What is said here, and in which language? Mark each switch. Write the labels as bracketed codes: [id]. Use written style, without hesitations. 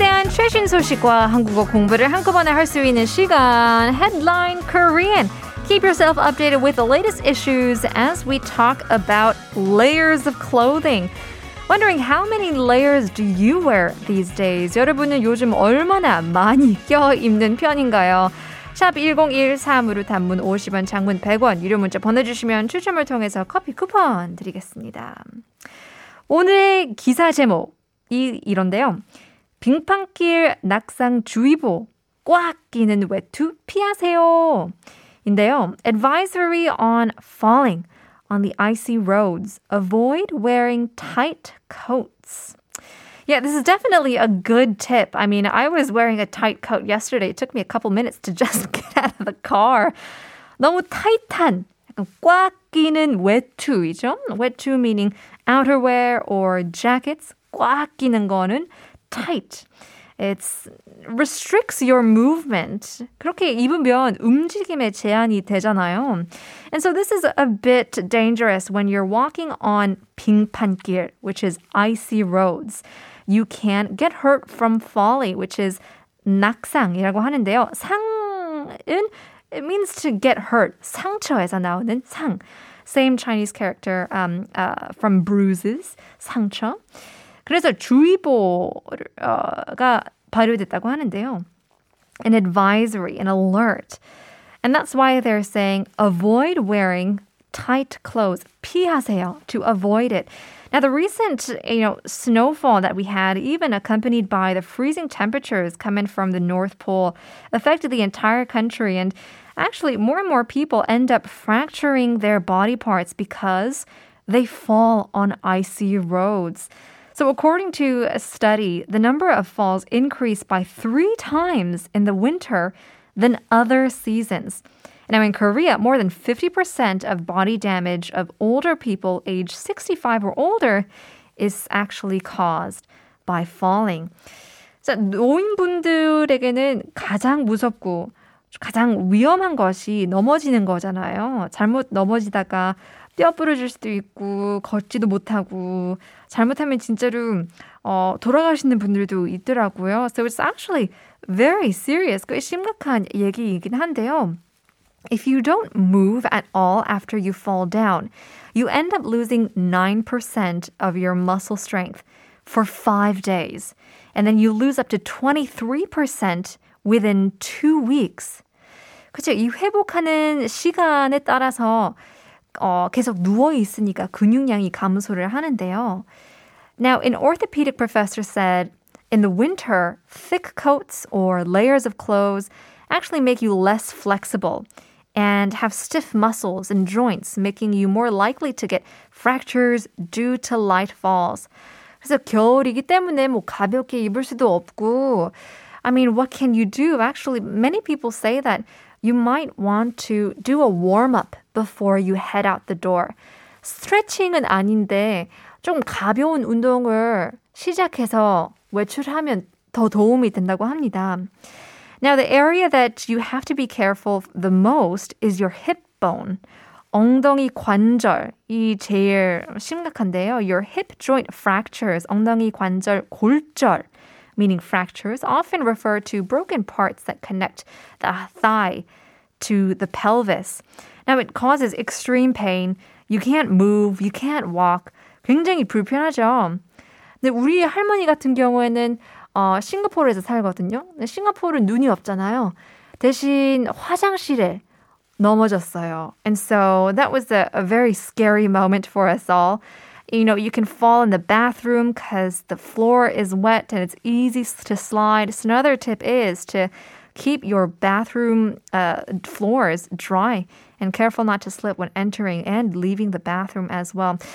[ko] 최신 소식과 한국어 공부를 한꺼번에 할 수 있는 시간 Headline Korean. [en] Keep yourself updated with the latest issues as we talk about layers of clothing. Wondering how many layers do you wear these days? [ko] 여러분은 요즘 얼마나 많이 껴입는 편인가요? 샵 1013으로 단문 50원, 장문 100원 유료 문자 보내주시면 추첨을 통해서 커피 쿠폰 드리겠습니다. 오늘의 기사 제목이 이런데요. 빙판길 낙상주의보 꽉 끼는 외투 피하세요. 인데요. [en] Advisory on falling on the icy roads. Avoid wearing tight coats. Yeah, this is definitely a good tip. I mean, I was wearing a tight coat yesterday. It took me a couple minutes to just get out of the car. [ko] 너무 타이트한, 약간 꽉 끼는 외투이죠. [en] 외투 meaning outerwear or jackets. [ko] 꽉 끼는 거는 tight. [en] It restricts your movement. [ko] 그렇게 입으면 움직임에 제한이 되잖아요. [en] And so this is a bit dangerous when you're walking on 빙판길, which is icy roads. You can get hurt from falling, which is [ko] 낙상이라고 하는데요. [en] 상은 it means to get hurt. [ko] 상처에서 나오는 상. [en] Same Chinese character from bruises, 상처. [ko] 그래서 주의보가 발효됐다고 하는데요. [en] An advisory, an alert. And that's why they're saying avoid wearing tight clothes. 피하세요, to avoid it. Now, the recent, you know, snowfall that we had, even accompanied by the freezing temperatures coming from the North Pole, affected the entire country. And actually, more and more people end up fracturing their body parts because they fall on icy roads. So according to a study, the number of falls increased by 3 times in the winter than other seasons. Now in Korea, more than 50% of body damage of older people age 65 or older is actually caused by falling. [ko] So 노인분들에게는 가장 무섭고 가장 위험한 것이 넘어지는 거잖아요. 잘못 넘어지다가 뼈 부러질 수도 있고 걷지도 못하고 잘못하면 진짜로 돌아가시는 분들도 있더라고요. [en] So it's actually very serious. [ko] 꽤 심각한 얘기이긴 한데요. [en] If you don't move at all after you fall down, you end up losing 9% of your muscle strength for 5 days. And then you lose up to 23% within 2 weeks. [ko] 그렇죠? 이 회복하는 시간에 따라서 계속 누워 있으니까 근육량이 감소를 하는데요. [en] Now, an orthopedic professor said, in the winter, thick coats or layers of clothes actually make you less flexible and have stiff muscles and joints, making you more likely to get fractures due to light falls. [ko] 그래서 겨울이기 때문에 뭐 가볍게 입을 수도 없고, [en] I mean, what can you do? Actually, many people say that you might want to do a warm-up before you head out the door. [ko] Stretching은 아닌데 좀 가벼운 운동을 시작해서 외출하면 더 도움이 된다고 합니다. [en] Now, the area that you have to be careful the most is your hip bone. [ko] 엉덩이 관절이 제일 심각한데요. [en] Your hip joint fractures, [ko] 엉덩이 관절 골절, [en] meaning fractures, often refer to broken parts that connect the thigh to the pelvis. Now, it causes extreme pain. You can't move, you can't walk. [ko] 굉장히 불편하죠. 근데 우리 할머니 같은 경우에는 싱가포르에서 살거든요. 싱가포르는 눈이 없잖아요. 대신 화장실에 넘어졌어요. [en] And so that was a very scary moment for us all. You know, you can fall in the bathroom because the floor is wet and it's easy to slide. So another tip is to keep your bathroom floors dry and careful not to slip when entering and leaving the bathroom as well.